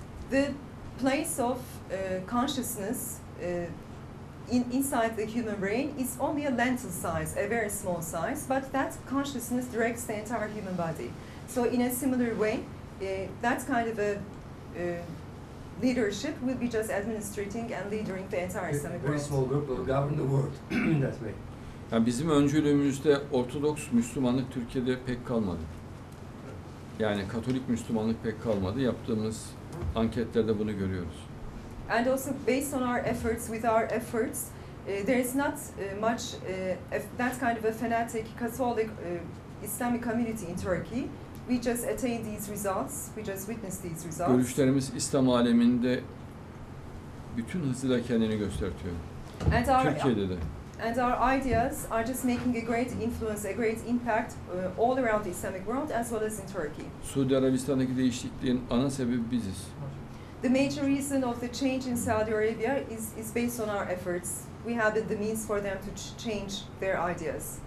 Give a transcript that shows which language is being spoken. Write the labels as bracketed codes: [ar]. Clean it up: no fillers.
[en] The place of consciousness inside the human brain is only a lentil size, a very small size, but that consciousness directs the entire human body. So in a similar way, that kind of a leadership will be just administering and leading the entire Islamic world. Very small group will govern the world in that way. [tr] Yani bizim öncülüğümüzde Ortodoks Müslümanlık Türkiye'de pek kalmadı. Yani Katolik Müslümanlık pek kalmadı. Yaptığımız anketlerde bunu görüyoruz. [en] And also based on our efforts, with our efforts, there is not much that kind of a fanatic Catholic Islamic community in Turkey. We just attained these results. We just witnessed these results. [tr] Görüşlerimiz İslam aleminde bütün hızıyla kendini gösteriyor. [en] And [tr] Türkiye'de de. [en] And our ideas are just making a great influence, a great impact all around the Islamic world as well as in Turkey. [tr] Suudi Arabistan'daki değişikliğin ana sebebi biziz. [en] The major reason of the change in Saudi Arabia is based on our efforts. We have the means for them to change their ideas.